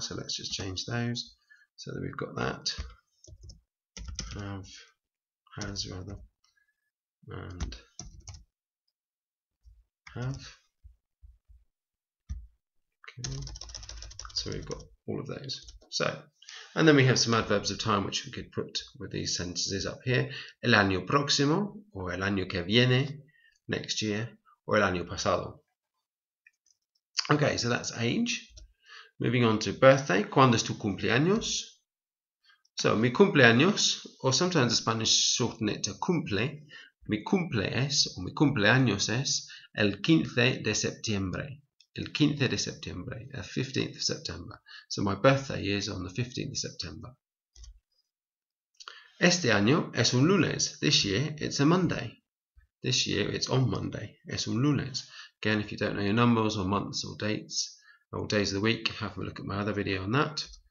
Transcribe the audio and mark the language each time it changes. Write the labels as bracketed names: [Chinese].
[English] So let's just change those. So then we've got that, have. Okay. So we've got all of those. So, and then we have some adverbs of time which we could put with these sentences up here. [Spanish] El año próximo, or el año que viene, [English] next year, [Spanish] or el año pasado. [English] Okay, so that's age. Moving on to birthday. [Spanish] ¿Cuándo es tu cumpleaños? [English] So, [Spanish] mi cumpleaños, [English] or sometimes the Spanish shorten it to cumple, [Spanish] Mi cumple es, o mi cumpleaños es, el 15 de septiembre. El 15 de septiembre, el [English] 15th of September. So my birthday is on the 15th of September. [Spanish] Este año es un lunes. [English] This year, it's a Monday. This year, it's on Monday. [Spanish] Es un lunes. [English] Again, if you don't know your numbers or months or dates, or days of the week, have a look at my other video on that.